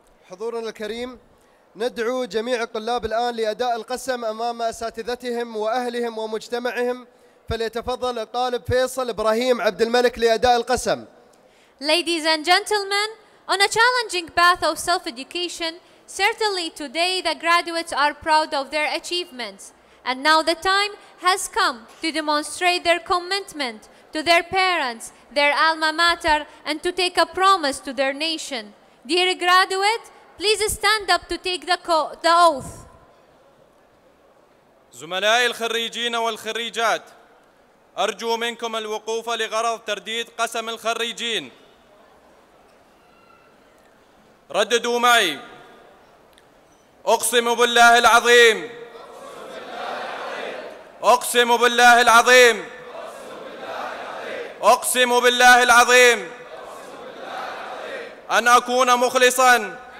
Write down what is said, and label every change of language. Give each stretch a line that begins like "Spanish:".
Arabic: حضورنا الكريم، ندعو جميع الطلاب الآن لأداء القسم أمام أساتذتهم وأهلهم ومجتمعهم، فليتفضل الطالب فيصل إبراهيم عبد الملك لأداء القسم.
English: Ladies and gentlemen, on a challenging path of self-education, certainly today the graduates are proud of their achievements. And now the time has come to demonstrate their commitment to their parents, their alma mater, and to take a promise to their nation. Dear graduate, please stand up to take the oath.
Arabic: زملائي الخريجين والخريجات، أرجو منكم الوقوف لغرض ترديد قسم الخريجين. رددوا معي: أقسم بالله العظيم، أقسم بالله العظيم، أقسم بالله العظيم، أن أكون مخلصاً